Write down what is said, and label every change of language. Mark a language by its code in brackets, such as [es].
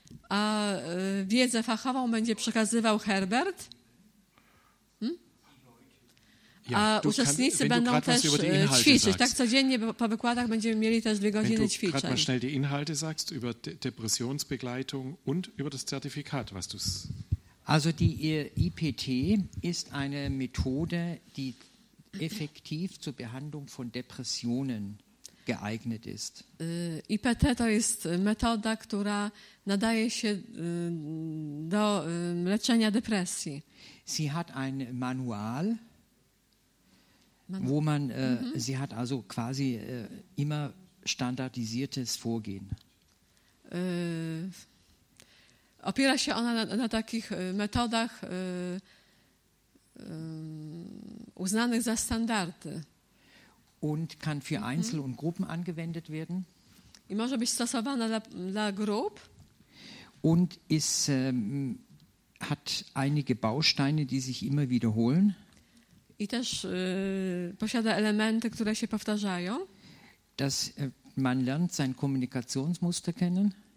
[pl] A wiedzę fachową będzie przekazywał Herbert. Ja, a uczestnicy będą też ćwiczyć. Tak codziennie po wykładach będziemy mieli też 2 godziny ćwiczeń. [de] Wenn du gerade mal schnell die Inhalte sagst über Depressionsbegleitung und über das Zertifikat, was du... Also die IPT ist eine Methode, die effektiv zur Behandlung von Depressionen geeignet ist. [pl] IPT to jest metoda, która nadaje się do leczenia depresji. [de] Sie hat ein Manual... Wo man, sie hat also quasi immer standardisiertes Vorgehen. [pl] Opiera się ona na takich metodach uznanych za standardy. [de] Und kann für Einzel- und Gruppen angewendet werden. [pl] I może być stosowana dla grup. [de] Und ist, hat einige Bausteine, die sich immer wiederholen. [pl] I też posiada elementy, które się powtarzają. [de] Dass man lernt sein Kommunikationsmuster kennen.